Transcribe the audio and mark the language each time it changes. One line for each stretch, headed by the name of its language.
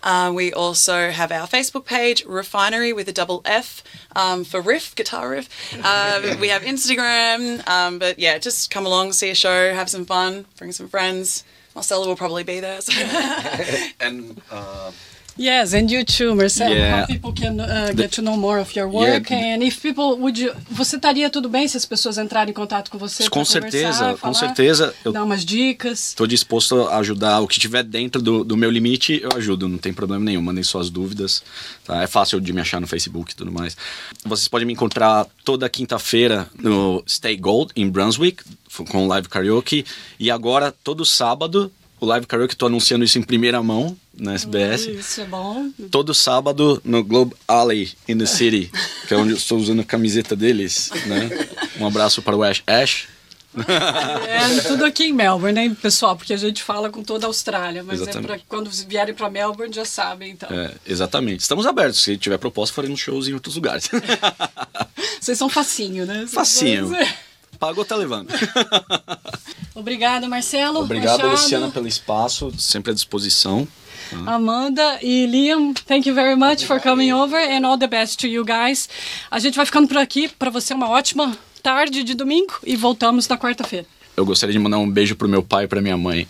English: We also have our Facebook page, Refinery with a double F, for riff, guitar riff. We have Instagram, but yeah, just come along, see a show, have some fun, bring some friends. Marcelo will probably be there. So. Yes, and you too, Marcelo. Yeah. How people can get to know more of your work. Yeah. And if people would you.
Portuguese: Você estaria tudo bem se as pessoas entrarem em contato com você? Com certeza, conversar, com certeza. Eu dar umas dicas. Estou disposto a ajudar o que tiver dentro do meu limite, eu ajudo, não tem problema nenhum. Mandem suas dúvidas. Tá? É fácil de me achar no Facebook e tudo mais. Vocês podem me encontrar toda quinta-feira no Stay Gold, em Brunswick, com live karaoke. E agora, todo sábado. O Live Karaoke, estou anunciando isso em primeira mão na SBS. Isso é bom. Todo sábado no Globe Alley in the City, que é onde eu estou usando a camiseta deles, né? Um abraço para o Ash. Tudo aqui em Melbourne, hein, pessoal? Porque a gente fala com toda a Austrália, mas exatamente. É pra quando vierem para Melbourne já sabem, então. Exatamente. Estamos abertos. Se tiver proposta, faremos shows em outros lugares. Vocês são facinho, né? Vocês facinho. Pagou, tá levando. Obrigado, Marcelo. Obrigado, Machado. Luciana, pelo espaço. Sempre à disposição.
English: Amanda e Liam, thank you very much for coming over and all the best to you guys.
Portuguese: A gente vai ficando por aqui. Para você, uma ótima tarde de domingo e voltamos na quarta-feira. Eu gostaria de mandar um beijo pro meu pai e pra minha mãe.